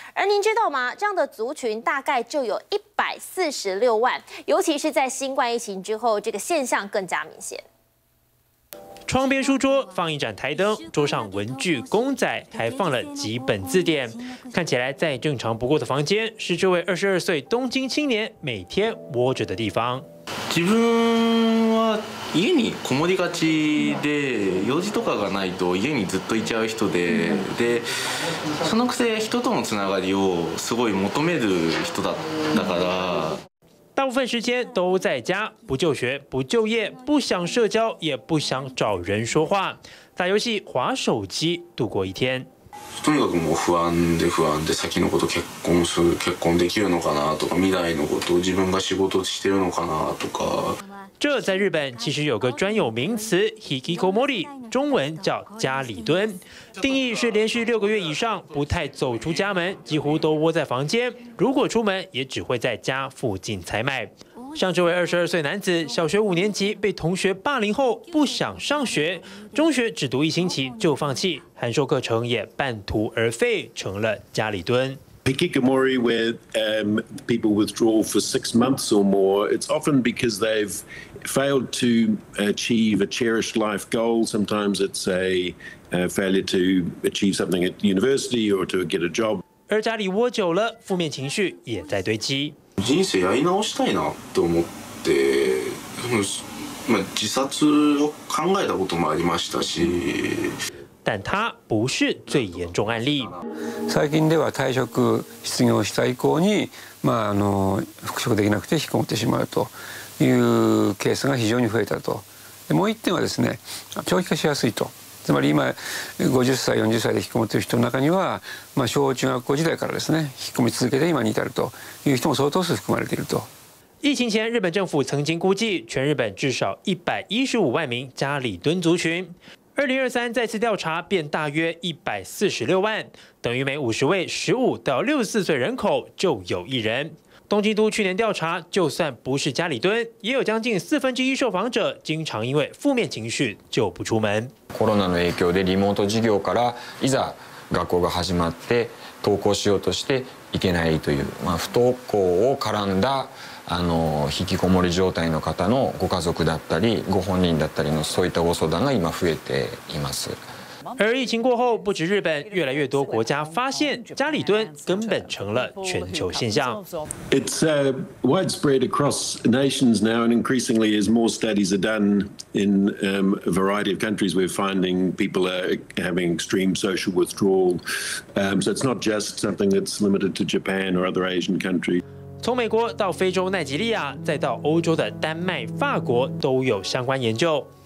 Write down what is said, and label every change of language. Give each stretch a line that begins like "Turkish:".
Chinese: 而您知道吗，这样的族群大概就有146万，尤其是在新冠疫情之后，这个现象更加明显。窗边书桌放一盏台灯，桌上文具公仔，还放了几本字典，看起来再正常不过的房间，是这位22岁东京青年每天窝着的地方。
Japanese: 自分は家にこもりがちで、用事とかがないと家にずっといちゃう人で、でそのくせ人とのつながりをすごい求める人だから。
Chinese: 大部分时间都在家，不就学，不就业，不想社交，也不想找人说话，打游戏、滑手机度过一天。
Japanese: とにかくもう不安で不安で、先のこと結婚できるのかなとか、未来のこと自分が仕事してるのかなとか。
Chinese: 这在日本其实有个专有名词 hikikomori， 中文叫家里蹲，定义是连续6个月以上不太走出家门，几乎都窝在房间，如果出门也只会在家附近采买。像这位22岁男子，小学5年级被同学霸凌后不想上学，中学只读一星期就放弃，函授课程也半途而废，成了家里蹲。
English: Hikikomori, where people withdraw for 6 months or more, it's often because they've failed to achieve a cherished life goal. Sometimes it's a failure to achieve something at university or to get a job.
Chinese: 而家里窝久了，负面情绪也在堆积。
Japanese: 人生やり直したいなと思って、まあ自殺を考えたこともありましたし。
Chinese: 但他不是最严重案例。
Japanese: 最近では退職失業した以降に、まあ復職できなくて引きこもってしまうというケースが非常に増えたと。もう一点はですね、長期化しやすいと。つまり今50歳40歳で引きこもっている人の中には、まあ小中学校時代からですね、引きこもり続けて今に至るという人も相当数含まれていると。
Chinese: 疫情前，日本政府曾经估计，全日本至少115万名家里蹲族群。 2023再次调查，便大约146万，等于每50位15到64岁人口就有一人。东京都去年调查，就算不是家里蹲，也有将近1/4受访者经常因为负面情绪就不出门。
Japanese: コロナの影響でリモート授業からいざ学校が始まって登校しようとしていけないという、まあ、不登校を絡んだ引きこもり状態の方のご家族だったりご本人だったりのそういったご相談が今増えています。
Chinese: 而疫情过后，不止日本，越来越多国家发现家里蹲根本成了全球现象。
English: It's widespread across nations now, and increasingly as more studies are done in a variety of countries, we're finding people are having extreme social withdrawal. So it's not just something that's limited to Japan or other Asian countries.
Chinese: 从美国到非洲奈及利亚，再到欧洲的丹麦、法国，都有相关研究。